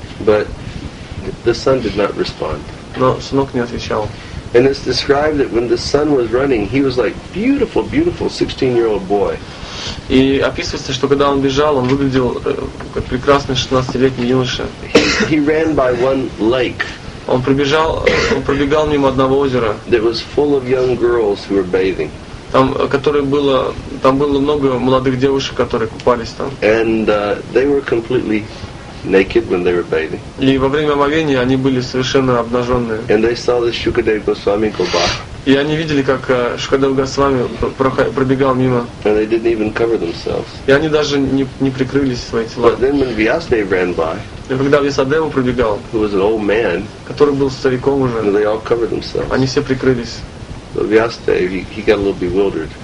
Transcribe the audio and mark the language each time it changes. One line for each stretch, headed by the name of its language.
English: But the son did not respond.
Russian: Но сынок не отвечал.
English: And it's described that when the son was running, he was like beautiful, beautiful 16-year-old boy.
Russian: И описывается, что когда он бежал, он выглядел как прекрасный 16-летний юноша.
English: He ran by one lake.
Russian: Он пробегал мимо одного озера.
English: That was full of young girls who were bathing.
Russian: Там было много молодых девушек, которые купались там.
English: And they were completely naked when they were bathing.
Russian: И во время омовения они были совершенно обнаженные.
English: And they saw the Shukadev Goswami go by.
Russian: И они видели, как Шукадев Госвами пробегал мимо.
English: And they didn't even cover themselves.
Russian: И они даже не прикрылись свои тела.
English: But then when Vyasadeva ran by.
Russian: И когда Вьясадева пробегал,
English: who was an old man,
Russian: который был стариком уже,
English: and they all covered themselves.
Russian: Они все прикрылись.
English: Vyasadeva, he got a little bewildered.